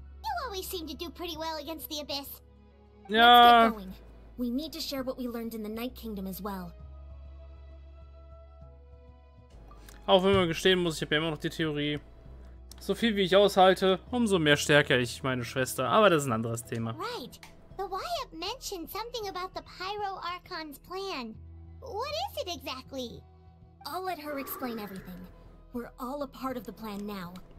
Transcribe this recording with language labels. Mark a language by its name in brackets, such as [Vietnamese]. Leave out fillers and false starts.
[English] You always seem to do pretty well against the Abyss. Yeah. Let's get going. We need to share what we learned in the Night Kingdom as well. [German] Auch wenn man gestehen muss, ich habe ja immer noch die Theorie. So viel wie ich aushalte, umso mehr stärke ich meine Schwester. Aber das ist ein anderes Thema. [English] Right. The Wyatt mentioned something about the Pyro Archon's plan. What is it exactly? I'll let her explain everything. We're all a part of the plan now.